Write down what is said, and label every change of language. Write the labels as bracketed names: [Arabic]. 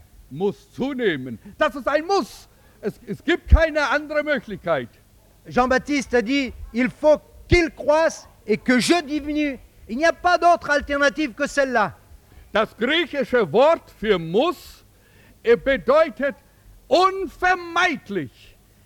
[German] Muss zunehmen. Das ist ein Muss. Es gibt keine andere Möglichkeit. [French] Jean-Baptiste a dit, il faut qu'il croisse et que je diminue. Il n'y a pas d'autre alternative que celle-là. [German] Das griechische Wort für muss bedeutet unvermeidlich.